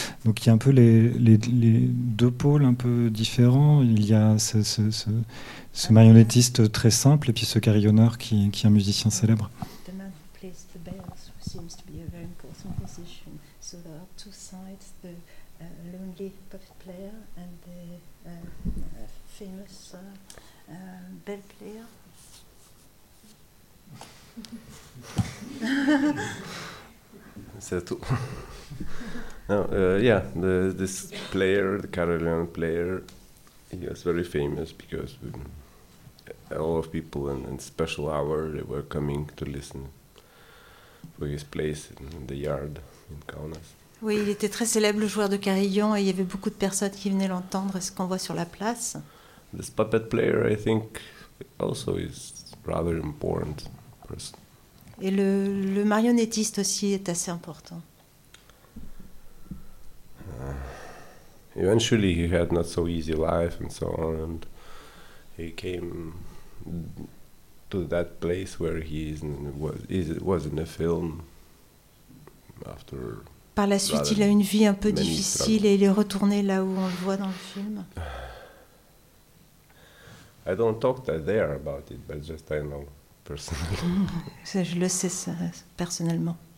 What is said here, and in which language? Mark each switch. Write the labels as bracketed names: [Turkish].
[French] Donc il y a un peu les deux pôles un peu différents. Il y a ce marionnettiste très simple et puis ce carillonneur qui est un musicien célèbre. [English] The man who plays the bells seems to be a very important position. So there are two sides, the lonely puppet player and the famous bell player. [French] C'est tout. [English] This player, the carillon player, he was very famous because a lot of people in special hour they were coming to listen for his place in the yard in Kaunas. [French] Oui, il était très célèbre, le joueur de carillon, et il y avait beaucoup de personnes qui venaient l'entendre, ce qu'on voit sur la place. [English] This puppet player, I think, also is rather important person. [French] Et le marionnettiste aussi est assez important. [English] Eventually, he had not so easy life and so on, and he came to that place where he is and was in the film. After. [French] Par la suite, il a une vie un peu difficile et il est retourné là où on le voit dans le film. [English] I don't talk there about it, but just I know. [French] Je le sais ça, personnellement.